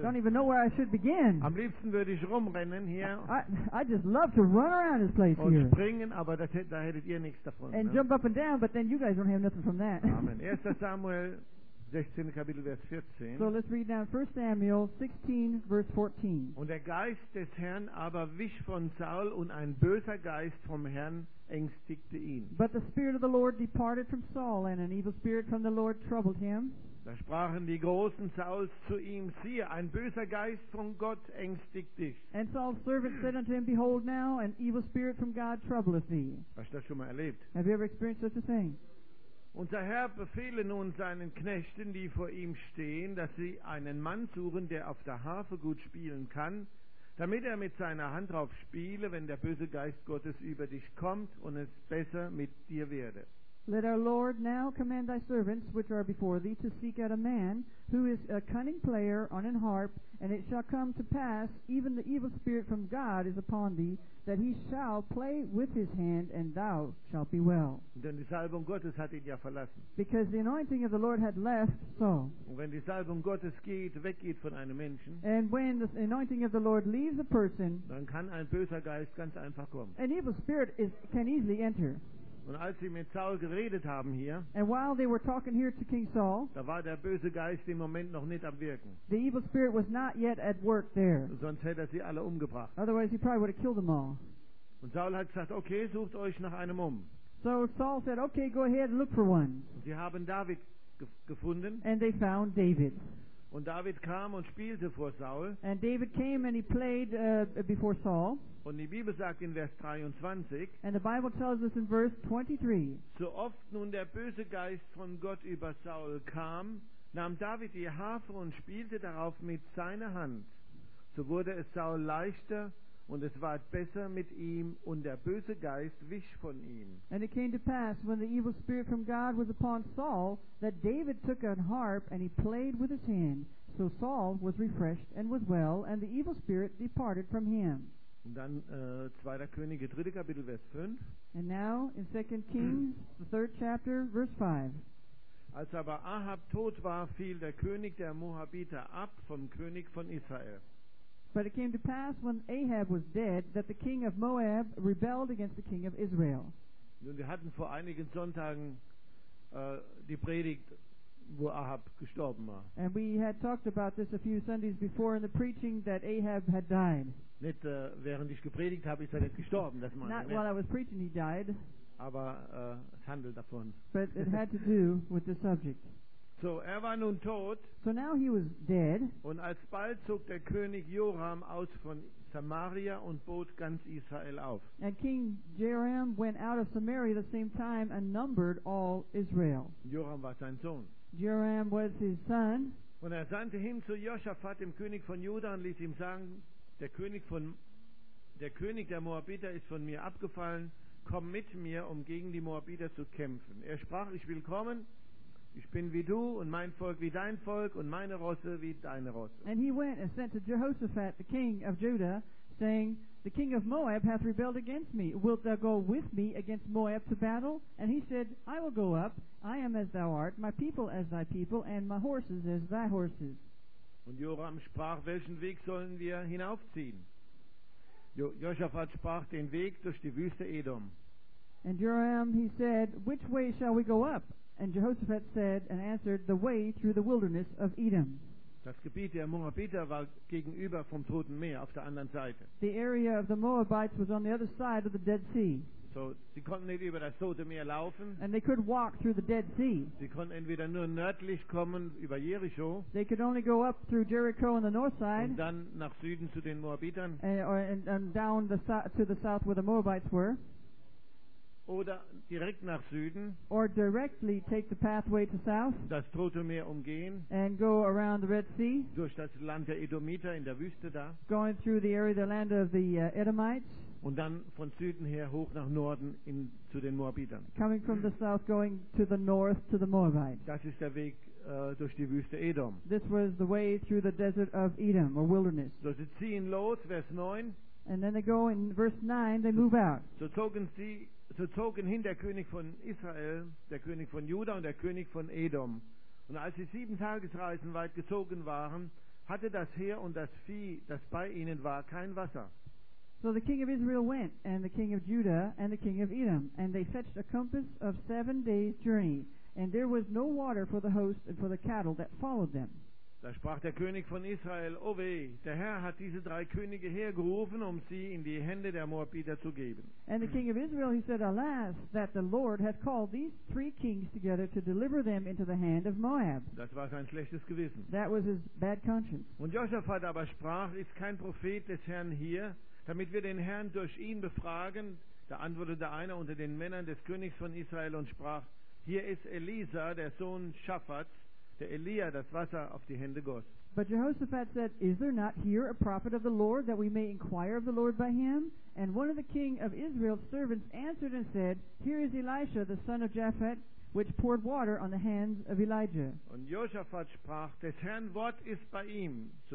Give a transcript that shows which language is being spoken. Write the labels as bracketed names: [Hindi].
[English] I don't even know where I should begin. [German] Am liebsten würde ich rumrennen hier. [English] I just love to run around this place [German] und [English] here. [German] Und springen, aber da hättet ihr nichts davon. [English] And [German] ne? [English] Jump up and down, but then you guys don't have nothing from that. [German] Amen. 1. Samuel 16, Kapitel, Vers 14. [English] So let's read down 1 Samuel 16, verse 14. [German] Und der Geist des Herrn aber wich von Saul und ein böser Geist vom Herrn ängstigte ihn. [English] But the spirit of the Lord departed from Saul, and an evil spirit from the Lord troubled him. [German] Da sprachen die großen Sauls zu ihm, siehe, ein böser Geist von Gott ängstigt dich. [English] And Saul's servant said unto him, behold now, an evil spirit from God troubleth thee. [German] Hast du das schon mal erlebt? [English] Have you ever experienced such a thing? [German] Unser Herr befehle nun seinen Knechten, die vor ihm stehen, dass sie einen Mann suchen, der auf der Harfe gut spielen kann, damit er mit seiner Hand drauf spiele, wenn der böse Geist Gottes über dich kommt und es besser mit dir werde. [English] Let our Lord now command thy servants, which are before thee, to seek out a man who is a cunning player on an harp, and it shall come to pass, even the evil spirit from God is upon thee, that he shall play with his hand, and thou shalt be well. [German] Denn die Salbung Gottes hat ihn ja verlassen. [English] Because the anointing of the Lord had left Saul. [German] Und wenn die Salbung Gottes geht, weggeht von einem Menschen, [English] and when the anointing of the Lord leaves a person, [German] dann kann ein böser Geist ganz einfach kommen. [English] An evil spirit can easily enter. [German] Und als sie mit Saul geredet haben hier, [English] and while they were talking here to King Saul, [German] da war der böse Geist im Moment noch nicht am Wirken. [English] The evil spirit was not yet at work there. [German] Sonst hätte er sie alle umgebracht. [English] Otherwise he probably would have killed them all. [German] Und Saul hat gesagt, okay, sucht euch nach einem um. [English] So Saul said, okay, go ahead and look for one. [German] Und sie haben David gefunden. [English] And they found David. [German] Und David kam und spielte vor Saul. [English] And David came and he played before Saul. [German] Und die Bibel sagt in Vers 23. [English] And the Bible tells us in verse 23. [German] So oft nun der böse Geist von Gott über Saul kam, nahm David die Harfe und spielte darauf mit seiner Hand. So wurde es Saul leichter und es ward besser mit ihm und der böse Geist wich von ihm. [English] And it came to pass when the evil spirit from God was upon Saul that David took an harp and he played with his hand. So Saul was refreshed and was well and the evil spirit departed from him. [German] Und dann 2. Könige, 3. Kapitel, Vers 5. [English] And now in 2 Kings, the 3rd chapter, verse 5. [German] Als aber Ahab tot war, fiel der König der Moabiter ab vom König von Israel. [English] But it came to pass when Ahab was dead that the king of Moab rebelled against the king of Israel. [German] Nun, wir hatten vor einigen Sonntagen die Predigt, wo Ahab gestorben war. [English] And we had talked about this a few Sundays before in the preaching that Ahab had died. [German] Nicht während ich gepredigt habe, ist er nicht gestorben, das meine ich. [English] Not while I was preaching, he died. [German] Aber es handelt davon. [English] But it had to do with the subject. [German] So er war nun tot. [English] So now he was dead. [German] Und alsbald zog der König Joram aus von Samaria und bot ganz Israel auf. [English] And King Joram went out of Samaria the same time and numbered all Israel. [German] Joram war sein Sohn. [English] Joram was his son. [German] Und er sandte hin zu Josaphat, dem König von Juda, und ließ ihm sagen, der König der Moabiter ist von mir abgefallen, komm mit mir, um gegen die Moabiter zu kämpfen. Er sprach, ich will kommen. Ich bin wie du und mein Volk wie dein Volk und meine Rosse wie deine Rosse. [English] And he went and sent to Jehoshaphat, the king of Judah, saying, the king of Moab hath rebelled against me. Wilt thou go with me against Moab to battle? And he said, I will go up. I am as thou art, my people as thy people, and my horses as thy horses. [German] Und Joram sprach, welchen Weg sollen wir hinaufziehen? Jehoshaphat sprach, den Weg durch die Wüste Edom. [English] And Joram, he said, which way shall we go up? And Jehoshaphat said and answered, the way through the wilderness of Edom. [German] Das Gebiet der Moabiter war gegenüber vom Toten Meer auf der anderen Seite. [English] The area of the Moabites was on the other side of the Dead Sea. [German] So sie konnten nicht über das Tote Meer laufen. [English] And they could walk through the Dead Sea. [German] Sie konnten entweder nur nördlich kommen über Jericho. [English] They could only go up through Jericho on the north side. [German] Und dann nach Süden zu den Moabitern. [English] And down to the south where the Moabites were. [German] Oder direkt nach Süden. [English] Or directly take the pathway to south. [German] Das Tote Meer umgehen. [English] And go around the Red Sea. [German] Durch das Land der Edomiter in der Wüste da. [English] Going through the area, the land of the Edomites. [German] Und dann von Süden her hoch nach Norden zu den Moabitern. [English] Coming from the south, going to the north to the Moabites. [German] Das ist der Weg durch die Wüste Edom. [English] This was the way through the desert of Edom, or wilderness. [German] So sie ziehen los, Vers 9. [English] And then they go in verse 9, they move out. [German] So zogen hin der König von Israel, der König von Juda und der König von Edom. Und als sie 7 Tagesreisen weit gezogen waren, hatte das Heer und das Vieh, das bei ihnen war, kein Wasser. [English] So the king of Israel went, and the king of Judah, and the king of Edom. And they fetched a compass of 7 days' journey. And there was no water for the host and for the cattle that followed them. [German] Da sprach der König von Israel, O weh, der Herr hat diese 3 Könige hergerufen, um sie in die Hände der Moabiter zu geben. [English] And the king of Israel, he said, alas, that the Lord hath called these 3 kings together to deliver them into the hand of Moab. [German] Das war sein schlechtes Gewissen. [English] That was his bad conscience. [German] Und Josaphat aber sprach, ist kein Prophet des Herrn hier, damit wir den Herrn durch ihn befragen? Da antwortete einer unter den Männern des Königs von Israel und sprach, hier ist Elisa, der Sohn Schaphats, der Elia das Wasser auf die Hände goss. [English] But Jehoshaphat said, is there not here a prophet of the Lord that we may inquire of the Lord by him? And one of the king of Israel's servants answered and said, here is Elisha the son of Japhet, which poured water on the hands of Elijah. [German] Und Jehoshaphat sprach, des Herrn Wort ist bei ihm.